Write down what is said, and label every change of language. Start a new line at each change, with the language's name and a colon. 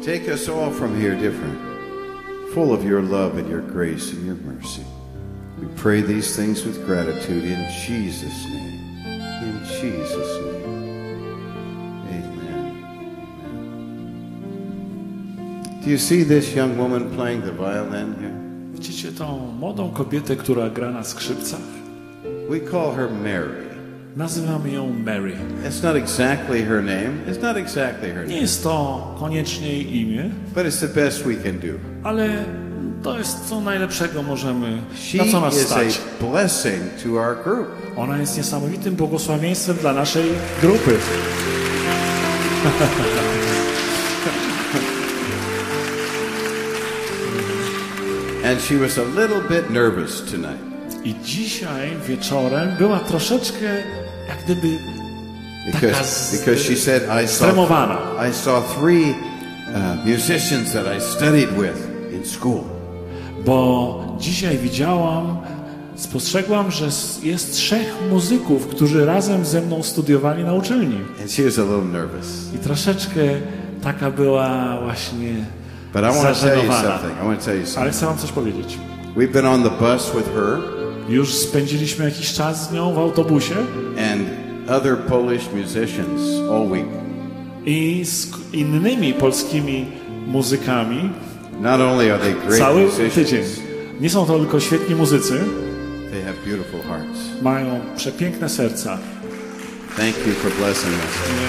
English: Take us all from here different, full of your love and your grace and your mercy. We pray these things with gratitude in Jesus' name. In Jesus' name. Do you see this young woman playing the violin here?
Polish: Widzicie tą młodą kobietę, która gra na skrzypcach?
English: We call her Mary.
Polish: Nazywamy ją Mary.
English: It's not exactly her name. It's not exactly her
Polish: name. Nie jest to koniecznie jej imię.
English: But it's the best we can do.
Polish: Ale to jest co najlepszego możemy.
English: She
Polish: na co nas
English: is
Polish: stać.
English: A blessing to our group.
Polish: Ona jest niesamowitym błogosławieństwem dla naszej grupy.
English: And she was a little bit nervous tonight.
Polish: I dzisiaj wieczorem była troszeczkę jak gdyby
English: because she said I saw three musicians that I studied with in school.
Polish: Bo dzisiaj widziałam, spostrzegłam, że jest trzech muzyków, którzy razem ze mną studiowali na uczelni.
English: And she was a little nervous.
Polish: I troszeczkę taka była właśnie.
English: But I want to tell you something. I want to tell you something.
Polish: Ale chcę wam coś powiedzieć.
English: We've been on the bus with her.
Polish: Już spędziliśmy jakiś czas z nią w autobusie.
English: And other Polish musicians all week.
Polish: I z innymi polskimi muzykami.
English: Not only are they great
Polish: cały
English: musicians.
Polish: Tydzień. Nie są to tylko świetni muzycy.
English: They have beautiful hearts.
Polish: Mają przepiękne serca.
English: Thank you for blessing us.